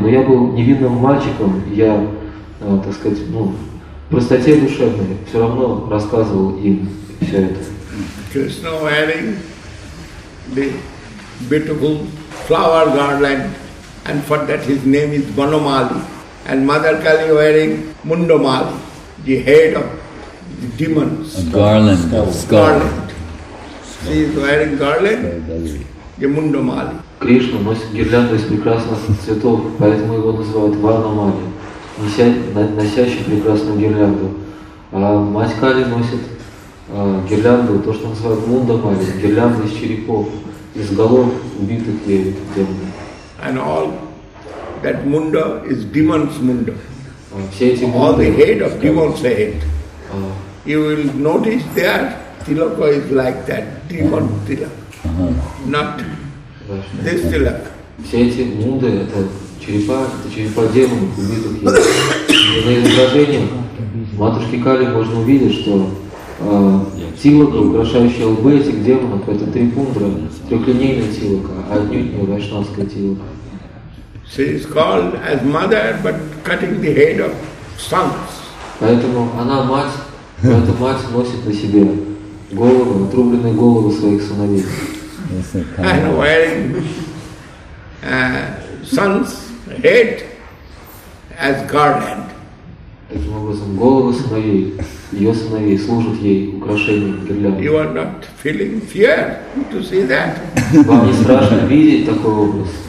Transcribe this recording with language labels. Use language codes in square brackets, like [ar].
[ru] Но я был невинным мальчиком, я, так сказать, ну, в простоте душевной все равно рассказывал им все это. [en] Krishna wearing the beautiful flower garland, and for that his name is Vanamali. And Mother Kali wearing Mundamali, the head of the demons. A garland. Garland. She is wearing garland, the Mundamali. Krishna wears a garland of beautiful flowers, [ru] поэтому его называют Vanamali, носящий прекрасную гирлянду. А мать Кали носит гирлянду, то, что называют мундамали, гирлянды из черепов, из голов убитых демонов. [en] And all that munda is demon's munda. [ru] Все эти [en] all the head of demon's head. You will notice there Tilaka is like that, demon Tilaka, not this Tilaka. [ru] Все эти мунды – это черепа демонов, убитых демонов. На изображении матушки Кали можно увидеть, что тилака, украшающая лбы этих демонов, это трипундра, трехлинейная тилака, а отнюдь не вайшнавская тилака. [en] She is called as mother, but cutting the head of sons. [ru] Поэтому она мать, но эта мать носит на себе голову, отрубленные головы своих сыновей. [en] And wearing son's head as garland. [ru] Таким образом, головы сыновей, ее сыновей, служат ей украшением гирлянды. [en] You are not feeling fear to see that. [ru] Вам не страшно видеть такой образ?